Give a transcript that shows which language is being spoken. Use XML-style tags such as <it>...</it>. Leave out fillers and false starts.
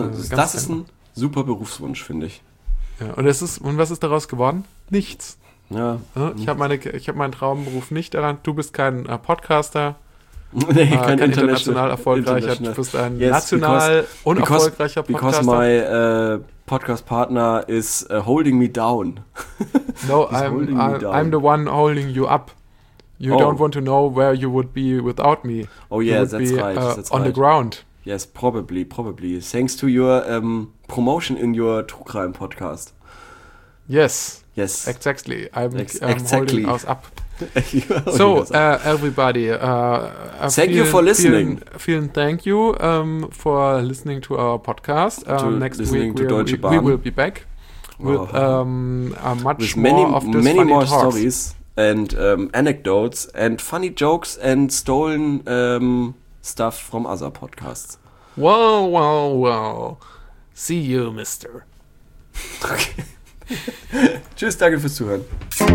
<de>Das ist ein super Berufswunsch, finde ich. Ja, und was ist daraus geworden? Nichts. Ja. Ich hab meinen Traumberuf nicht daran. Du bist kein Podcaster. Nee, kein international erfolgreicher. Du bist ein national unerfolgreicher Podcaster.</de> <en>Because my Podcast-Partner is holding me down. No, I'm the one holding you up. You don't want to know where you would be without me. Oh yeah, that's right. On the ground. Yes, probably. Thanks to your promotion in your True Crime Podcast. Yes. Exactly. I'm holding us up. So, everybody. Thank you for listening. Vielen thank you for listening to our podcast. Next week we will be back with many more stories and anecdotes and funny jokes and stolen stuff from other podcasts. Well. See you, mister.</en> <de>Okay. Tschüss, danke fürs Zuhören.</de>